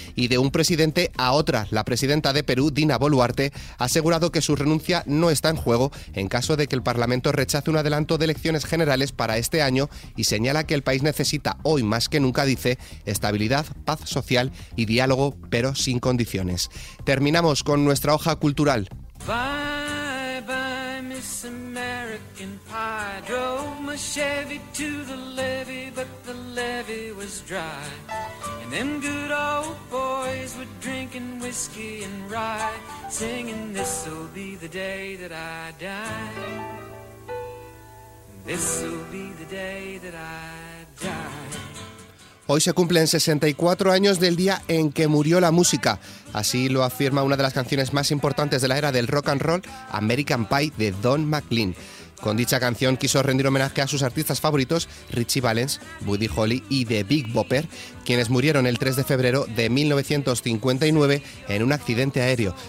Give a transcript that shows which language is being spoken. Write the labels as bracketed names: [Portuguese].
[Spanish] Y de un presidente a otra, la presidenta de Perú, Dina Boluarte, ha asegurado que su renuncia no está en juego en caso de que el Parlamento rechace un adelanto de elecciones generales para este año y señala que el país necesita hoy más que nunca Boca dice estabilidad, paz social y diálogo, pero sin condiciones. Terminamos con nuestra hoja cultural. [English] Bye, bye, Miss American Pie. Drove my Chevy to the levee, but the levee was dry. And them good old boys were drinking whiskey and rye, singing this'll be the day that I die. This'll be the day that I die. [Spanish] Hoy se cumplen 64 años del día en que murió la música. Así lo afirma una de las canciones más importantes de la era del rock and roll, American Pie, de Don McLean. Con dicha canción quiso rendir homenaje a sus artistas favoritos, Richie Valens, Buddy Holly y The Big Bopper, quienes murieron el 3 de febrero de 1959 en un accidente aéreo.